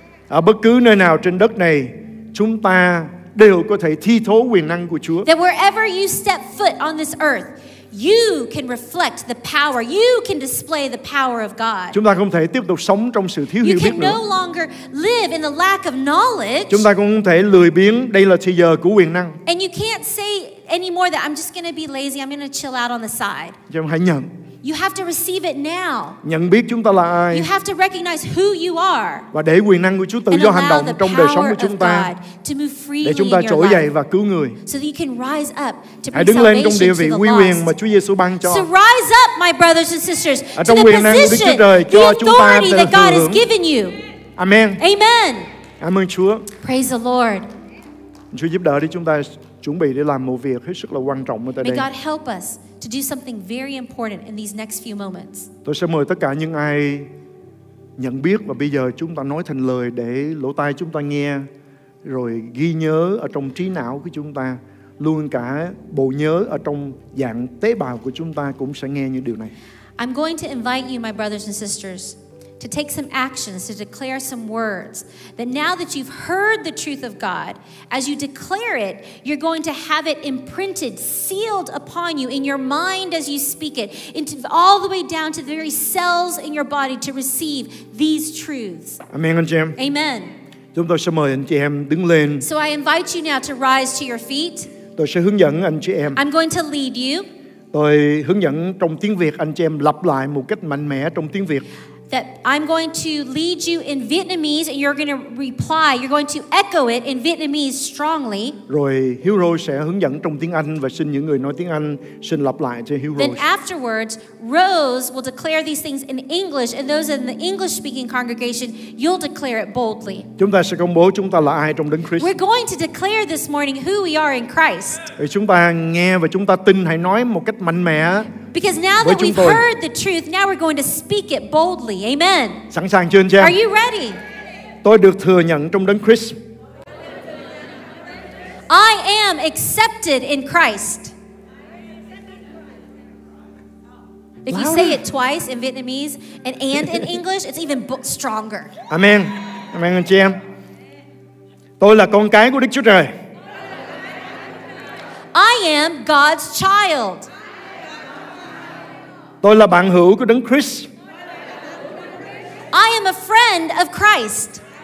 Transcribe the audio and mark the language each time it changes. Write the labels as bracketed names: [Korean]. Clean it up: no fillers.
[Vietnamese] Ở bất cứ nơi nào trên đất này, chúng ta đều có thể thi thố quyền năng của Chúa. [English] That wherever you step foot on this earth, you can reflect the power. You can display the power of God. [Vietnamese] Chúng ta không thể tiếp tục sống trong sự thiếu hiểu biết nữa. [English] You can no longer live in the lack of knowledge. [Vietnamese] Chúng ta cũng không thể lười biếng. Đây là thời giờ của quyền năng. [English] And you can't say anymore that I'm just going to be lazy. I'm going to chill out on the side. [Vietnamese] Chúng ta hãy nhận. [English] You have to receive it now. [Vietnamese] Nhận biết chúng ta là ai. [English] You have to recognize who you are. [Vietnamese] Và để quyền năng của Chúa tự do hành động trong đời sống của chúng ta. Để chúng ta trỗi dậy và cứu người. [English] So that you can rise up to [Vietnamese] hãy đứng lên trong địa vị quý quyền mà Chúa Giê-xu ban cho. [English] So rise up, my brothers and sisters, [Vietnamese] ở trong quyền năng Đức Chúa Trời cho chúng ta [English] the authority that God has given you. Amen. Amen. [Vietnamese] Cảm ơn Chúa. [English] Praise the Lord. [Vietnamese] Chúa giúp đỡ để chúng ta chuẩn bị để làm một việc hết sức là quan trọng ở tại đây. [English] May God help us to do something very important in these next few moments. [Vietnamese] Tôi sẽ mời tất cả những ai nhận biết và bây giờ chúng ta nói thành lời để lỗ tai chúng ta nghe rồi ghi nhớ ở trong trí não của chúng ta, luôn cả bộ nhớ ở trong dạng tế bào của chúng ta cũng sẽ nghe những điều này. [English] I'm going to invite you, my brothers and sisters, to take some actions, to declare some words, that now that you've heard the truth of God, as you declare it, you're going to have it imprinted, sealed upon you in your mind as you speak it, into all the way down to the very cells in your body to receive these truths. [Vietnamese] Amen, anh chị em. Amen. Chúng tôi sẽ mời anh chị em đứng lên. [English] So I invite you now to rise to your feet. [Vietnamese] Tôi sẽ hướng dẫn anh chị em. [English] I'm going to lead you. [Vietnamese] Tôi hướng dẫn trong tiếng Việt anh chị em lặp lại một cách mạnh mẽ trong tiếng Việt. [English] That I'm going to lead you in Vietnamese and you're going to reply, you're going to echo it in Vietnamese strongly. [Vietnamese] Rồi Hero sẽ hướng dẫn trong tiếng Anh và xin những người nói tiếng Anh xin lặp lại cho Hero. [English] Then afterwards, Rose will declare these things in English and those in the English speaking congregation, you'll declare it boldly. [Vietnamese] Chúng ta sẽ công bố chúng ta là ai trong Đấng Christ. [English] We're going to declare this morning who we are in Christ. [Vietnamese] Để chúng ta nghe và chúng ta tin hãy nói một cách mạnh mẽ. [English] Because now that we've heard the truth, now we're going to speak it boldly. Amen. [Vietnamese] Sẵn sàng chưa anh chị em? [English] Are you ready? [Vietnamese] Tôi được thừa nhận trong Đấng Christ. [English] I am accepted in Christ. If you say it twice in Vietnamese and in English, it's even stronger. [Vietnamese] Amen. Amen anh chị em. Tôi là con cái của Đức Chúa Trời. [English] I am God's child. [Vietnamese] Tôi là bạn hữu của Đấng Christ. [English] I am a friend of Christ.